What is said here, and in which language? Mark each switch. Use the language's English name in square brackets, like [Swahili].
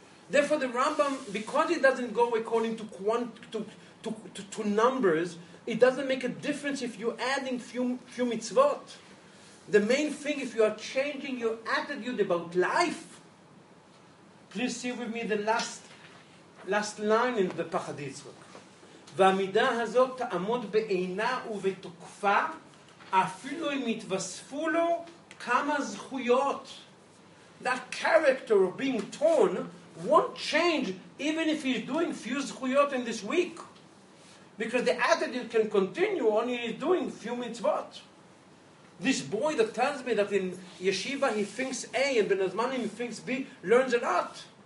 [English] Therefore the Rambam, because it doesn't go according to numbers, it doesn't make a difference if you're adding few mitzvot. The main thing, if you are changing your attitude about life, please see with me the last line in the Pachaditzvot. [Hebrew] והמידה הזאת תעמוד בעינה ובתוקפה, אפילו אם יתווספו לו כמה זכויות. [English] That character of being torn won't change even if he's doing few זכויות in this week. Because the attitude can continue only if he's doing few mitzvot. This boy that tells me that in yeshiva he thinks A and ben azman he thinks B learns a lot.